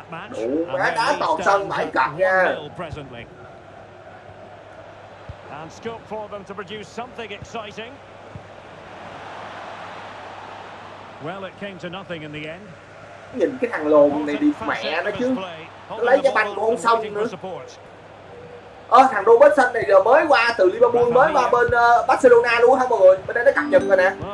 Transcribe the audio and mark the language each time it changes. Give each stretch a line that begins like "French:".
Vietnamese: Đủ má đá toàn sân bãi cận nha.
English: And scope for them to produce something exciting. Well, it came to nothing in the end.
Vietnamese: Nhìn cái thằng lồn này đi mẹ nó chứ. Nó lấy cái banh của ông xong nữa. Ơ, thằng Robertson này giờ mới qua từ Liverpool, mới qua bên Barcelona luôn hả mọi người? Bên đây nó cập nhật rồi nè.